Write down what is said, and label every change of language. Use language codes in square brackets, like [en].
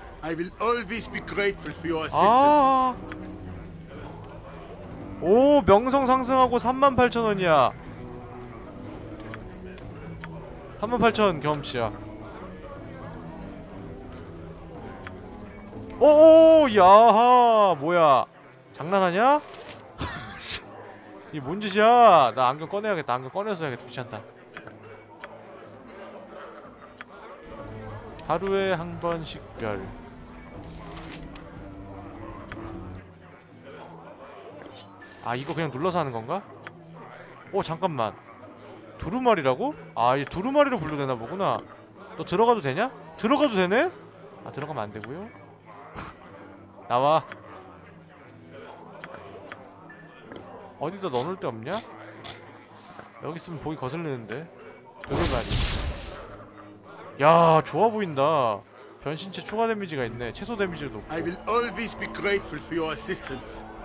[en] I will always be grateful for your assistance. 아. [ko] 오, 명성 상승하고 38,000원이야. 38,000 경험치야. 오, 야하, 뭐야? 장난하냐? 이게 뭔 짓이야? 나 안경 꺼내야겠다. 안경 꺼내서 해야겠다. 귀찮다. 하루에 한 번 식별. 아, 이거 그냥 눌러서 하는 건가? 오, 잠깐만. 두루마리라고? 아, 이제 두루마리로 불러되나 보구나. 너 들어가도 되냐? 들어가도 되네? 아, 들어가면 안 되고요. 나와. 어디다 넣어놓을 데 없냐? 여기 있으면 보기 거슬리는데. 두루마리. 야, 좋아 보인다. 변신체 추가 데미지가 있네. 최소 데미지도 높고. [en] I will always be grateful for your assistance.